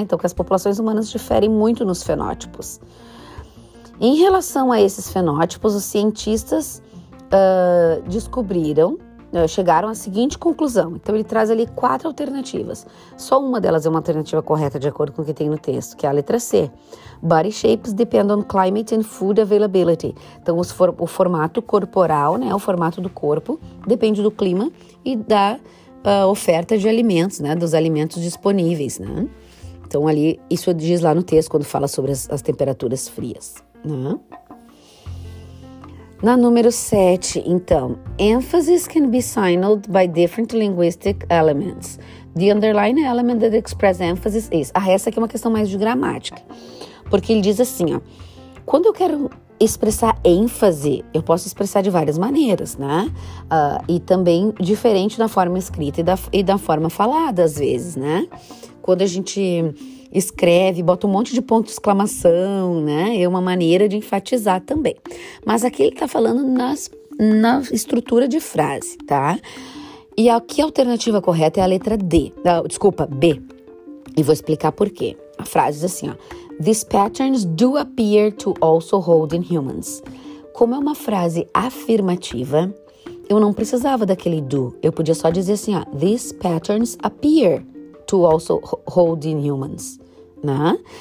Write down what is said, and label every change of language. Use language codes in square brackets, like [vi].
[pt] Então, que as populações humanas diferem muito nos fenótipos. Em relação a esses fenótipos, os cientistas descobriram, chegaram à seguinte conclusão. Então, ele traz ali quatro alternativas. Só uma delas é uma alternativa correta, de acordo com o que tem no texto, que é a letra C. [en] Body shapes depend on climate and food availability. [pt] Então, o formato corporal, né, o formato do corpo, depende do clima e da oferta de alimentos, né, dos alimentos disponíveis, né? Então, ali, isso diz lá no texto, quando fala sobre as temperaturas frias, né? Na número 7, então, [en] emphasis can be signaled by different linguistic elements. The underlying element that expresses emphasis is... [pt] Ah, essa aqui é uma questão mais de gramática. Porque ele diz assim, ó, quando eu quero expressar ênfase, eu posso expressar de várias maneiras, né? E também diferente da forma escrita e da forma falada, às vezes, né? Quando a gente escreve, bota um monte de ponto de exclamação, né? É uma maneira de enfatizar também. Mas aqui ele tá falando na estrutura de frase, tá? E aqui a alternativa correta é a letra D. Desculpa, B. E vou explicar por quê. A frase diz assim, ó. [en] These patterns do appear to also hold in humans. [pt] Como é uma frase afirmativa, eu não precisava daquele do. Eu podia só dizer assim, ó. [en] These patterns appear to also hold in humans, né?